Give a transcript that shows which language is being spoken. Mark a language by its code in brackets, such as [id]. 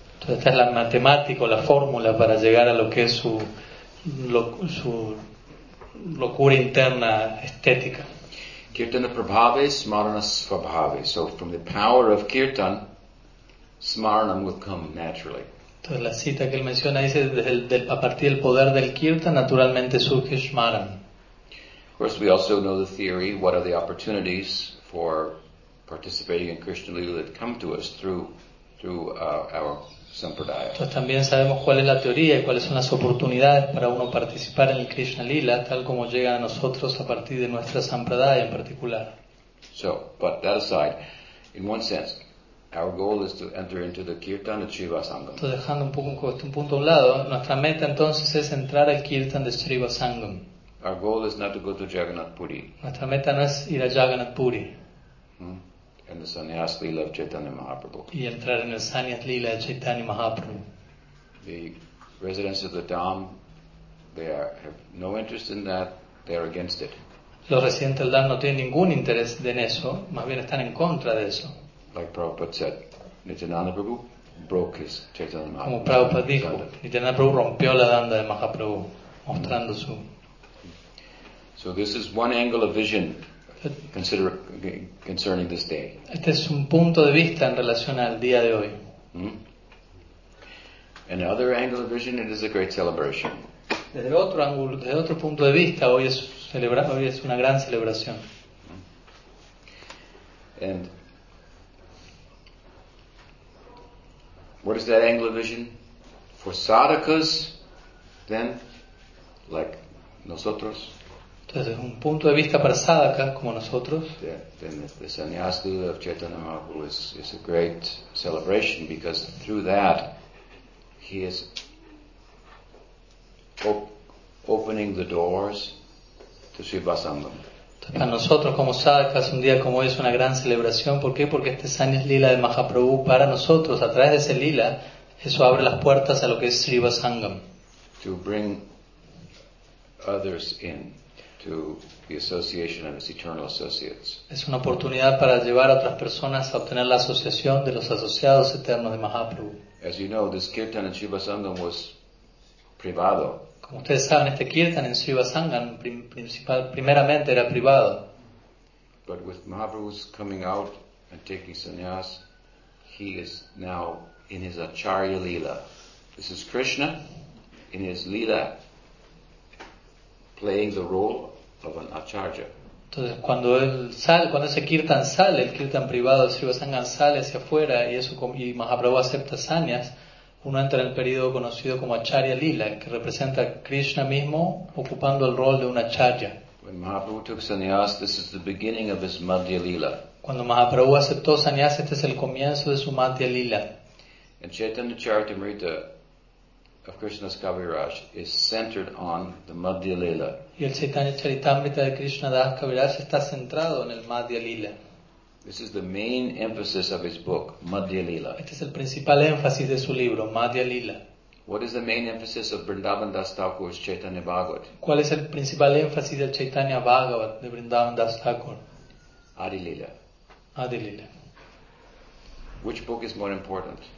[es] Entonces esta es la matemática o la fórmula para llegar a lo que es su su locura interna estética. [sa] Kirtana prabhave, smarana svabhave. [en] So from the power of kirtan, smaranam will come naturally. [es] Entonces la cita que él menciona dice, a partir del poder del kirtan, naturalmente surge smaranam. [en] Of course, we also know the theory, what are the opportunities for participating in Krishna Lila that come to us through our sampradaya. [es] Entonces también sabemos cuál es la teoría y cuáles son las oportunidades para uno participar en el Krishna Lila tal como llega a nosotros a partir de nuestra sampradaya en particular. [en] So, but that aside, in one sense, our goal is to enter into the kirtan of Shiva Sangam. [es] Entonces dejando un punto a un lado, nuestra meta entonces es entrar al kirtan de Shiva Sangam. [en] Our goal is not to go to Jagannath Puri. [es] Nuestra meta no es ir a Jagannath Puri. [en] And the Sannyasa-lila of Caitanya Mahaprabhu. [es] Y entrar en el Sannyasa-lila de Caitanya Mahaprabhu. [en] The residents of the Dham, they have no interest in that. They are against it. [es] Los residentes del Dham no tienen ningún interés en eso. Más bien están en contra de eso. [en] Like Prabhupada said, Nityananda Prabhu broke his Caitanya Mahaprabhu. [es] Como Prabhupada dijo, Nityananda Prabhu rompió la danda de Mahaprabhu, mostrando su. [en] So this is one angle of vision. Consider concerning this day. [es] Este es un punto de vista en relación al día de hoy. [en] Another angle of vision, it is a great celebration. [es] Desde otro ángulo, desde otro punto de vista, hoy es una gran celebración. [en] And what is that angle of vision? For sadhakas, then, like [es] nosotros. Entonces, desde un punto de vista para sadhakas como nosotros, [en] the Sannyasa-lila of Caitanya Mahaprabhu is a great celebration because through that he is opening the doors to Sivasangam. [es] Para nosotros como sadhakas un día como hoy es una gran celebración. ¿Por qué? Porque este Sannyasa-lila de Mahaprabhu para nosotros, a través de ese lila, eso abre las puertas a lo que es Sivasangam. [en] To bring others in to the association of his eternal associates. [es] Es una oportunidad para llevar a otras personas a obtener la asociación de los asociados eternos de Mahaprabhu. [en] As you know, this kirtan in Shiva Sangam was [es] privado. Como ustedes saben, este kirtan en Shiva Sangam primeramente era privado. [en] But with Mahaprabhu's coming out and taking sannyas, he is now in his acharya lila. This is Krishna in his lila, playing the role of an acharya. [es] Entonces, cuando él sale, cuando ese kirtan sale, el kirtan privado de Sri Vasangan sale hacia afuera y Mahaprabhu acepta sannyas, uno entra en el periodo conocido como acharya lila, que representa a Krishna mismo ocupando el rol de un acharya. [en] When Mahaprabhu took sannyas, this is the beginning of his madhya lila. [es] Cuando Mahaprabhu aceptó sannyas, este es el comienzo de su madhya lila. [en] And Chaitanya Charitamrita of Krishna's Kaviraj is centered on the Madhya Lila. [es] Y el Caitanya Charitamrita de Krishna Das Kaviraj está centrado en el Madhya Lila. [en] This is the main emphasis of his book, Madhya Lila. [es] Este es el principal énfasis de su libro, Madhya Lila. [en] What is the main emphasis of Vrindavan Das Thakur's Chaitanya Bhagavat? [es] ¿Cuál es el principal énfasis del Chaitanya Bhagavat de Vrindavan Das Thakur? [en] Adilila. [es] Adilila. [en] Which book is more important?